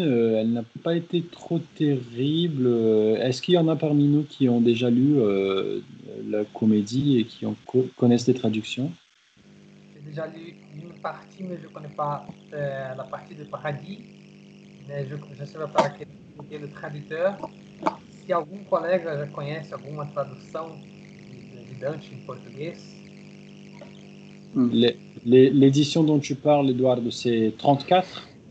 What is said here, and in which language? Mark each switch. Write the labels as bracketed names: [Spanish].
[French] Elle n'a pas été trop terrible. Est-ce qu'il y en a parmi nous qui ont déjà lu la comédie et qui connaissent les traductions? J'ai déjà lu une partie, mais je ne connais pas la partie de Paradis. Mais je ne sais pas qui est le traducteur. [Portuguese] Si algum colega já conhece alguma tradução de Dante em português? [French] L'édition dont tu parles, Eduardo, c'est 34?